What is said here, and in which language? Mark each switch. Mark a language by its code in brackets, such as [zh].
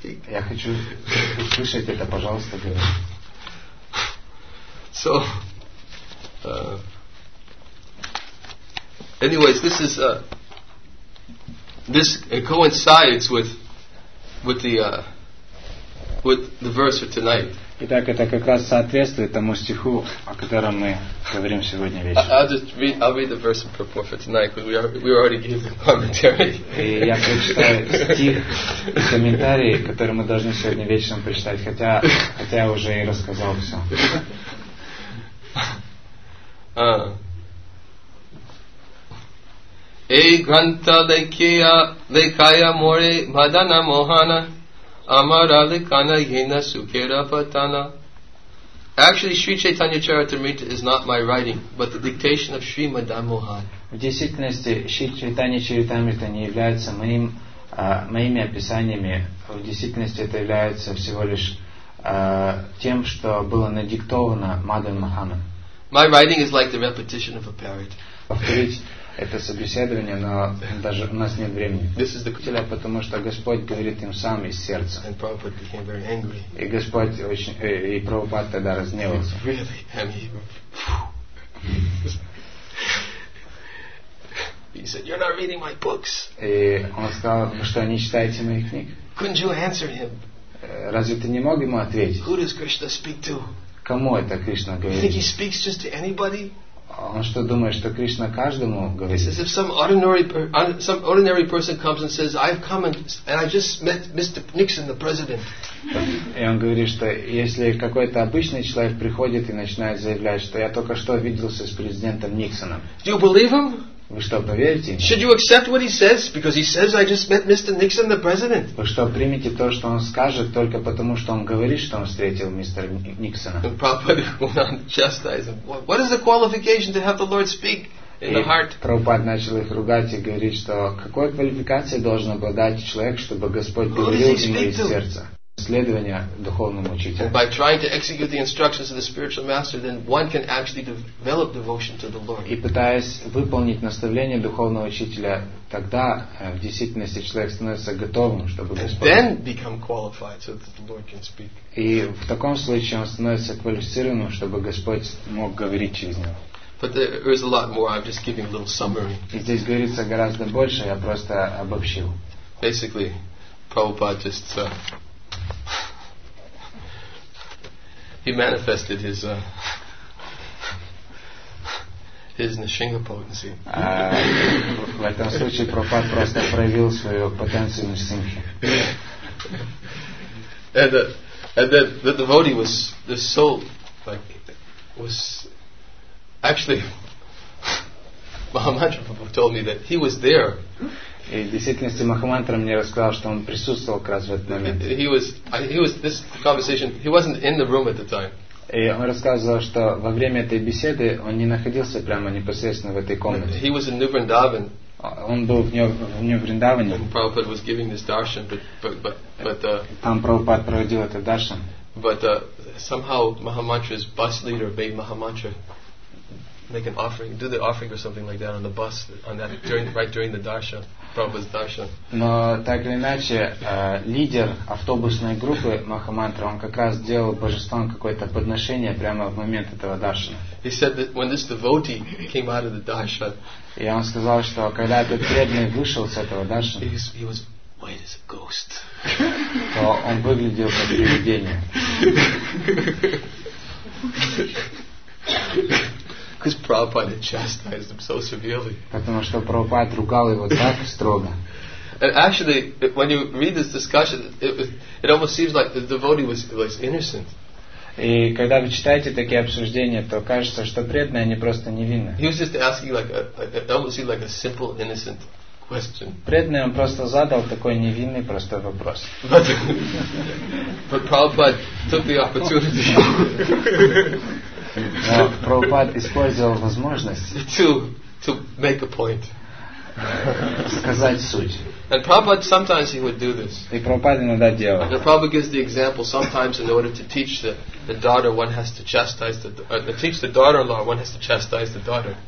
[ru] Я хочу услышать это, пожалуйста, говорю. [en] So, anyways, this is coincides with the verse for tonight. [ru] Итак, это как раз соответствует тому стиху, о котором мы говорим сегодня вечером. [en] I'll read the verse for tonight because we already gave the commentary. [ru] И я прочитаю стих и комментарий, который мы должны сегодня вечером прочитать, хотя я уже и рассказал все. Эй, Ганта Лекия, Лекая Море, Мадана Мохана, Амарали Кана Гина Сукера Патана. [en] Actually, Sri Chaitanya Charitamrita is not my writing, but the dictation of Sri Madan Mohan. [ru] В действительности, Sri Chaitanya Charitamrita не является моими описаниями. В действительности, это является всего лишь тем, что было надиктовано Мадан Моханом. [en] My writing is like the repetition of a parrot. [ru] Это собеседование, но даже у нас нет времени. Потому что Господь говорит им сам из сердца. [en] And Prabhupada became very angry. [ru] И Господь очень и Прабхупад тогда разгневался. [en] Really, I mean, he said, "You're not reading my books." [ru] И он сказал, что не читаете моих книг. [en] Couldn't you answer him? [ru] Разве ты не мог ему ответить? [en] Who does Krishna speak to? [ru] Кому это Кришна говорит? [en] You think he speaks just to anybody? [ru] Он что думает, что Кришна каждому говорит? [en] He says, if some ordinary person comes and says, I've come and I just met Mr. Nixon, the president. [ru] И он говорит, что если какой-то обычный человек приходит и начинает заявлять, что я только что виделся с президентом Никсоном. [en] Do you believe him? [ru] Вы что, поверите? [en] Should you accept what he says? Because he says, I just met Mr. Nixon, the president. [ru] Вы что, примите то, что он скажет, только потому, что он говорит, что он встретил мистера Никсона? [en] Prabhupada will not chastise him. What is the qualification to have the Lord speak [ru] Прабхупад начал их ругать и говорить, что какой квалификацией должен обладать человек, чтобы Господь говорил с ним из сердца. Следование духовному учителю. [en] By trying to execute the instructions of the spiritual master, then one can actually develop devotion to the Lord. [ru] И пытаясь выполнить наставление духовного учителя, тогда в действительности человек становится готовым, чтобы Господь. [en] And then become qualified so that the Lord can speak. [ru] И в таком случае он становится квалифицированным, чтобы Господь мог говорить через него. [en] But there is a lot more. I'm just giving a little summary. [ru] И здесь говорится гораздо больше, я просто обобщил. [en] Basically, Prabhupada just he manifested his nishinga potency. [ru] В этом случае Прабхупада просто проявил свою потенцию нишинги. [en] And the devotee was actually Mahamantra Prabhu told me that he was there. [ru] И в действительности Махамантра мне рассказал, что он присутствовал как раз в этот момент. [en] He wasn't in the room at the time. [ru] И он рассказывал, что во время этой беседы он не находился прямо непосредственно в этой комнате. [en] He was in New Vrindavan. [ru] Он был в New Vrindavan. [en] Prabhupada was giving this darshan, but [ru] там Прабхупад проводил этот даршан. [en] Somehow Mahamantra's bus leader made Mahamantra make an offering, do the offering or something like that on the bus on that during the darshan. [ru] Но так или иначе, лидер автобусной группы Махамантра, он как раз делал божествам какое-то подношение прямо в момент этого даршана. [en] He said that when this devotee came out of the darshan, [ru] и он сказал, что когда этот преданный вышел с этого даршана, [en] he was white as a ghost. [ru] То он выглядел как привидение. [en] Because Prabhupada chastised him so severely. [ru] Потому что Прабхупад ругал его так строго. [en] And actually, when you read this discussion, it almost seems like the devotee was innocent. [ru] И когда вы читаете такие обсуждения, то кажется, что преданные они просто невинны. [en] He was just asking it almost seemed like a simple innocent question. [ru] Преданный он просто задал такой невинный простой вопрос. [en] But Prabhupada took the opportunity. [ru] Но Прабхупад использовал возможность [en] to make a point. [ru] Сказать суть. [en] And Prabhupada sometimes he would do this. [ru] И Прабхупад иногда делал. [en] And Prabhupada gives the example sometimes in order to teach the daughter one has to chastise the teach the daughter-in-law one has to chastise the daughter.